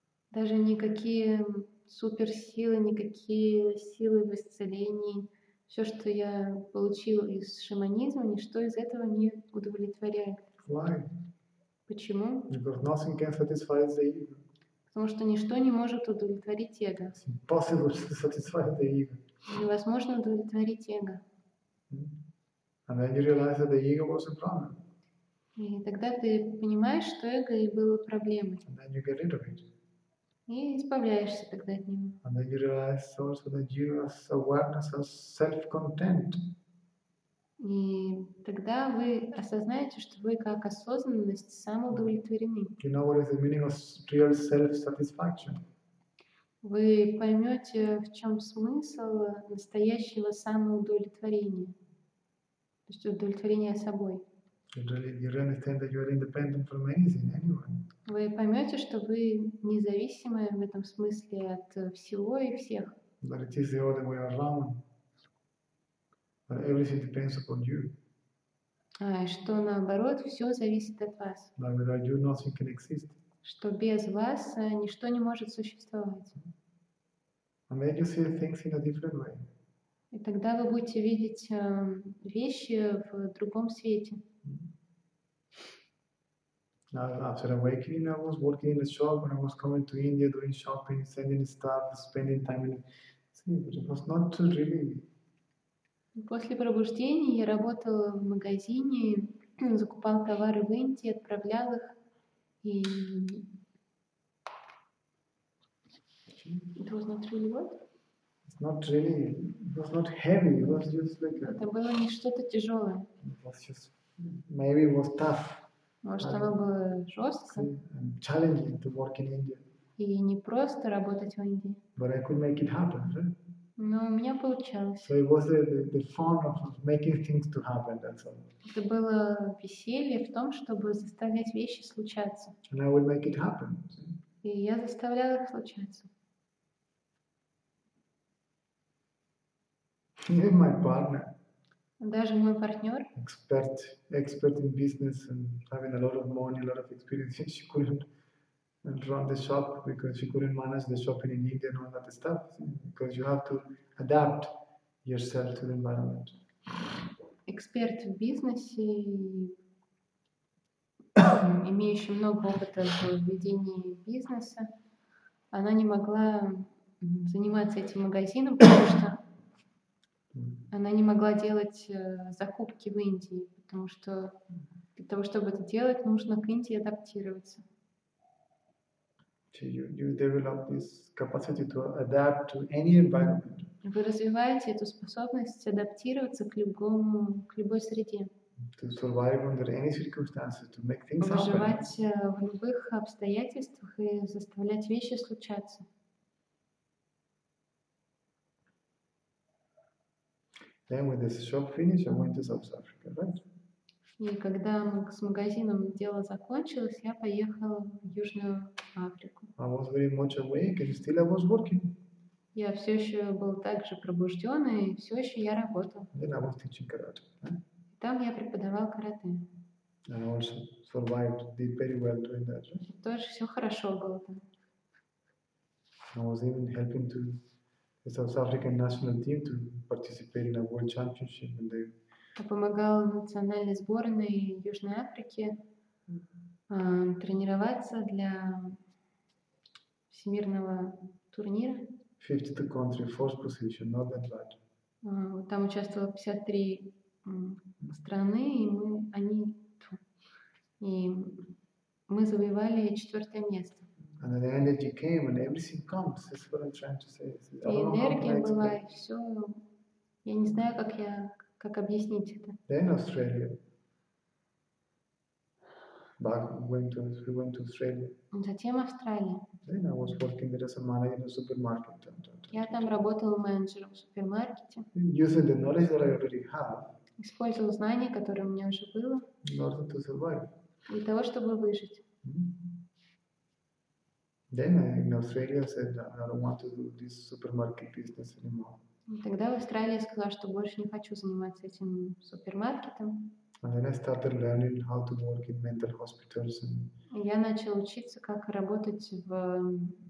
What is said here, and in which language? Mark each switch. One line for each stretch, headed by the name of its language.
Russian: Даже никакие суперсилы, никакие силы в исцелении, все, что я получил из шаманизма, ничто из этого не удовлетворяет.
English: Why?
Russian: Почему?
English: Because nothing can satisfy the ego.
Russian: Потому что ничто не может удовлетворить эго.
English: It's impossible to satisfy the ego.
Russian: Невозможно удовлетворить эго.
English: And then you realize that the ego was a problem.
Russian: И тогда ты понимаешь, что эго и было проблемой.
English: And then you get rid of it.
Russian: И избавляешься тогда от него.
English: And then you realize also that you as awareness as self-content.
Russian: И тогда вы осознаете, что вы как осознанность самоудовлетворены.
English: You know what is the meaning of real self-satisfaction?
Russian: Вы поймете, в чем смысл настоящего самоудовлетворения. То есть удовлетворение собой.
English: You understand that you are independent from anything, anyone.
Russian: Вы поймете, что вы независимы в этом смысле от всего и всех.
English: But it is the other way around. But everything depends upon you.
Russian: А что наоборот, все зависит от вас.
English: But without you, nothing can exist.
Russian: Что без вас ничто не может существовать.
English: And then you see things in a different way.
Russian: И тогда вы будете видеть вещи в другом свете.
English: After awakening, I was working in a shop and I was coming to India doing shopping, sending stuff, spending time in it. See, but it was not too really.
Russian: После пробуждения я работал в магазине, закупал товары в Индии, отправлял их и.
English: It was not really what? It's not really. It was not heavy. It was just like a.
Russian: Это было не что-то тяжелое.
English: It was just. Maybe it was tough.
Russian: Может, оно было жестко.
English: Challenging to work in India.
Russian: И не просто работать в Индии.
English: But I could make it happen, right?
Russian: Но у меня получалось.
English: So it was the fun of making things to happen, that's all.
Russian: Это было веселье в том, чтобы заставлять вещи случаться.
English: And I would make it happen.
Russian: И я заставлял их случаться.
English: Even my partner.
Russian: Даже мой партнер,
English: expert in business and having a lot of money, a lot of experience, she couldn't run the shop because she couldn't manage the shopping in India and all that stuff. Because you have to adapt yourself to the environment.
Russian: Эксперт в бизнесе, имеющий много опыта в ведении бизнеса, она не могла заниматься этим магазином, потому что она не могла делать закупки в Индии, потому что для того, чтобы это делать, нужно к Индии адаптироваться.
English: So you develop this capacity to adapt to any environment.
Russian: Вы развиваете эту способность адаптироваться к любому, к любой среде.
English: To survive under any circumstances, to make things happen.
Russian: Выживать в любых обстоятельствах и заставлять вещи случаться.
English: Then when this shop finished, I went to South Africa, right?
Russian: И когда с магазином дело закончилось, я поехала в Южную Африку.
English: I was very much awake and still I was working.
Russian: Я все еще был также пробужден и все еще я работал.
English: Then I was teaching karate. Right?
Russian: Там я преподавал карате.
English: And I also survived, did very well doing that. Right?
Russian: Тоже все хорошо было там.
English: I was even helping to the South African national team to participate in a world championship and they.
Russian: Я помогал национальной сборной Южной Африки тренироваться для всемирного турнира.
English: 52 country, fourth position, not that bad.
Russian: Там участвовало 53 страны, и мы завоевали четвертое место.
English: And then the energy came and everything comes. That's what I'm trying to say.
Russian: И энергия была, и все. Я не знаю, как объяснить это.
English: Then Australia. Back we went to Australia.
Russian: Затем Австралия.
English: Then I was working there as a manager in a supermarket.
Russian: Я там работал менеджером в супермаркете.
English: Using the knowledge that I already have.
Russian: Использовал знания, которые у меня уже было.
English: In order to survive.
Russian: Для того, чтобы выжить.
English: Then in Australia said, I don't want to do this supermarket business anymore.
Russian: Тогда в Австралии сказала, что больше не хочу заниматься этим супермаркетом.
English: And then I started learning how to work in mental hospitals. And
Russian: я начал учиться, как работать в